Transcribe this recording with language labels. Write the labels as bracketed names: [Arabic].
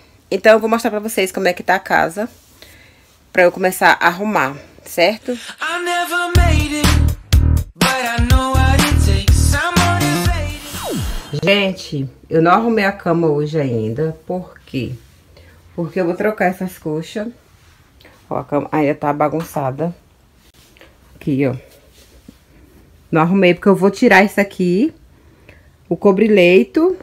[Portuguese] Então eu vou mostrar para vocês como é que tá a casa para eu começar a arrumar, certo? [English] I never made it, but I know what it takes. I'm [Portuguese] Gente, eu não arrumei a cama hoje ainda. Por quê? Porque eu vou trocar essas coxas. Ó, a cama ainda tá bagunçada. Aqui, ó. Não arrumei porque eu vou tirar isso aqui. O cobrileito.